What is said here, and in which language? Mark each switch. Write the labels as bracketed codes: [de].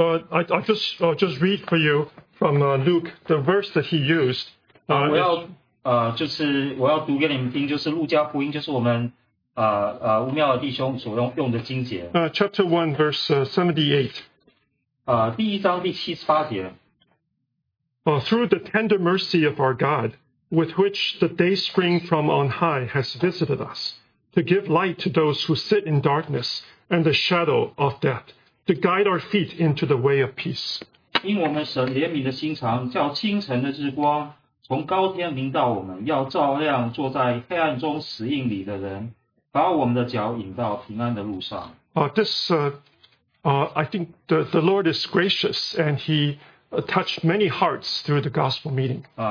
[en] I just read for you from Luke the verse that he used. [zh] 我要读给你们听，就是路加福音，就是我们吴妙敖弟兄所用的经节。 [en] Chapter 1, verse 78. [zh] 第一章第七十八节。 [en] Through the tender mercy of our God, with which the day spring from on high has visited us, to give light to those who sit in darkness and the shadow of death, to guide our feet into the way of peace. [zh] 因我们神怜悯的心肠，叫清晨的日光 从高天临到我们，要照亮坐在黑暗中死荫里的人，把我们的脚引到平安的路上。 [en] I think the Lord is gracious, and He touched many hearts through the gospel meeting.